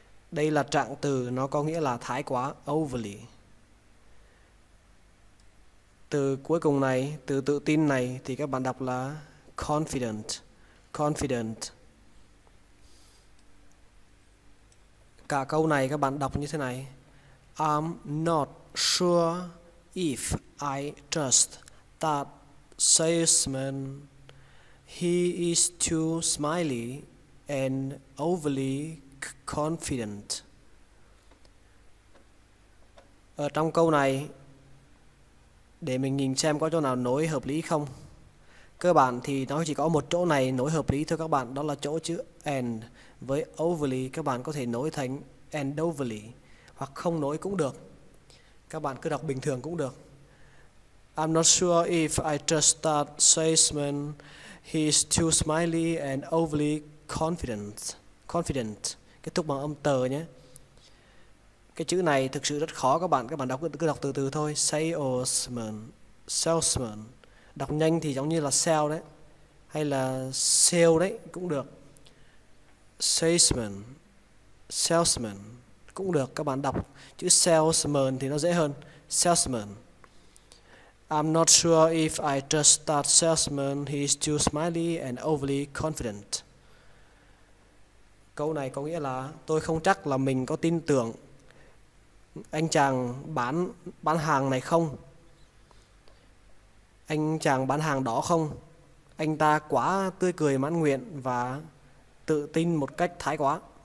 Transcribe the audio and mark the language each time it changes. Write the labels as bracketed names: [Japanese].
[Vietnamese] Đây là trạng từ, nó có nghĩa là thái quá. Overly. Từ cuối cùng này, từ tự tin này thì các bạn đọc là confident, confident. Cả câu này các bạn đọc như thế này. [English] I'm not sure if I trust that salesman. He is too smiley and overly confident. [Vietnamese] Ở trong câu này, để mình nhìn xem có chỗ nào nối hợp lý không. Cơ bản thì nó chỉ có một chỗ này nối hợp lý thôi các bạn, đó là chỗ chữ and với overly. Các bạn có thể nối thành and overly hoặc không nối cũng được. Các bạn cứ đọc bình thường cũng được. [English] I'm not sure if I trust that salesman. He is too smiley and overly confident. Confident. [Vietnamese] Kết thúc bằng âm tờ nhé. Cái chữ này thực sự rất khó các bạn đọc cứ đọc từ từ thôi. Salesman, salesman. Đọc nhanh thì giống như là sale đấy, hay là sale đấy cũng được. Salesman, salesman cũng được, các bạn đọc chữ salesman thì nó dễ hơn. [English] Salesman. I'm not sure if I trust that salesman. He is too smiley and overly confident. [Vietnamese] Câu này có nghĩa là tôi không chắc là mình có tin tưởng anh chàng bán hàng này không, anh chàng bán hàng đó không, anh ta quá tươi cười mãn nguyện và tự tin một cách thái quá.